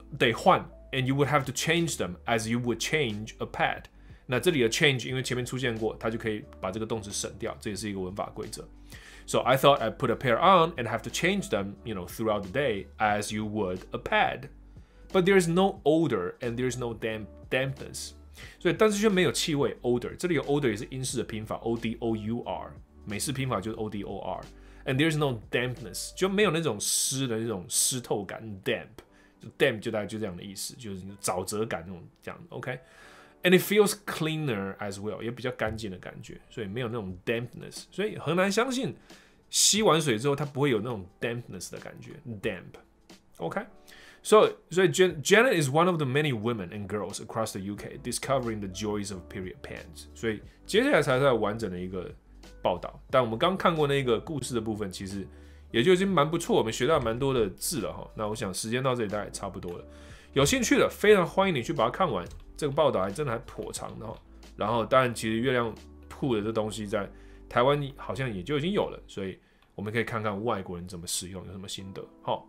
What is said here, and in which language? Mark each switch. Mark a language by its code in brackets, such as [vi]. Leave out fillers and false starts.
[zh] 得换 [en] ，and you would have to change them as you would change a pad。 [zh] 那这里的 change， 因为前面出现过，它就可以把这个动词省掉，这也是一个文法规则。 [en] So I thought I put a pair on and have to change them, you know, throughout the day as you would a pad. But there is no odor and there is no dampness. [zh] 所以但是却没有气味 ，odor。这里有 odor 也是英式的拼法 ，o d o u r， 美式拼法就是 o d o r。 [en] And there is no dampness， [zh] 就没有那种湿的那种湿透感 ，damp。 Damp 就大概就这样的意思，就是沼泽感那种这样 ，OK。 [en] And it feels cleaner as well， [zh] 也比较干净的感觉，所以没有那种 dampness， 所以很难相信吸完水之后它不会有那种 dampness 的感觉 ，damp。 [en] OK， so Janet is one of the many women and girls across the UK discovering the joys of period pants。 [zh] 所以接下来才是完整的一个报道，但我们刚看过那个故事的部分，其实。也就已经蛮不错，我们学到蛮多的字了哈。那我想时间到这里大概差不多了。有兴趣的，非常欢迎你去把它看完。这个报道还真的还颇长的哈。然后，当然，其实月亮铺的这东西在台湾好像也就已经有了，所以我们可以看看外国人怎么使用，有什么心得哈。